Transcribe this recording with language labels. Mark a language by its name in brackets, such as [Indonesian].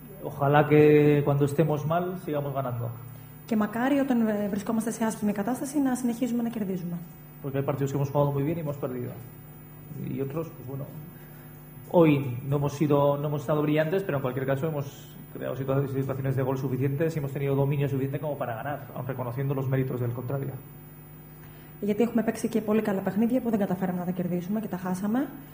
[Spanish] Ojalá que cuando estemos mal sigamos ganando. [Greek] Και μακάρι όταν βρισκόμαστε σε άσχημη κατάσταση να συνεχίζουμε να κερδίζουμε. [Spanish] Porque hay partidos que hemos jugado muy bien y hemos perdido. Y otros, pues bueno. Hoy no hemos estado brillantes, pero en cualquier caso hemos creado situaciones de gol suficientes y hemos tenido dominio suficiente como para ganar, aun reconociendo los méritos del contrario. [Greek] Γιατί έχουμε παίξει και πολύ καλά παιχνίδια που δεν καταφέραμε να τα κερδίσουμε και τα χάσαμε.